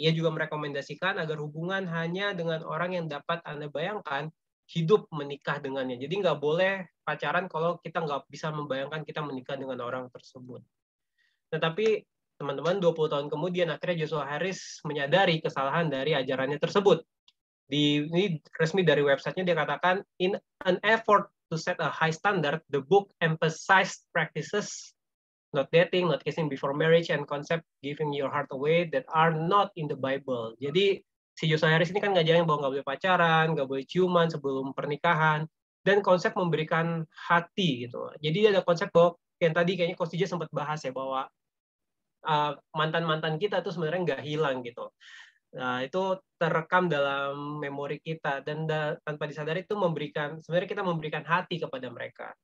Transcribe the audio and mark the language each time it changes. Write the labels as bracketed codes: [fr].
[id] Ia juga merekomendasikan agar hubungan hanya dengan orang yang dapat Anda bayangkan hidup menikah dengannya. Jadi nggak boleh pacaran kalau kita nggak bisa membayangkan kita menikah dengan orang tersebut. Tetapi teman-teman, 20 tahun kemudian akhirnya Joshua Harris menyadari kesalahan dari ajarannya tersebut. [en] Ini resmi dari websitenya, dia katakan, in an effort to set a high standard, the book emphasized practices, not dating, not kissing before marriage, and concept giving your heart away that are not in the Bible. [id] Jadi, si Joshua Harris ini kan ngajarin bahwa nggak boleh pacaran, nggak boleh ciuman sebelum pernikahan, dan konsep memberikan hati. Gitu. Jadi, ada konsep bahwa, yang tadi kayaknya Kostija sempat bahas ya, bahwa mantan-mantan kita tuh sebenarnya nggak hilang. Gitu. Nah, itu terekam dalam memori kita dan tanpa disadari itu memberikan, sebenarnya kita memberikan hati kepada mereka.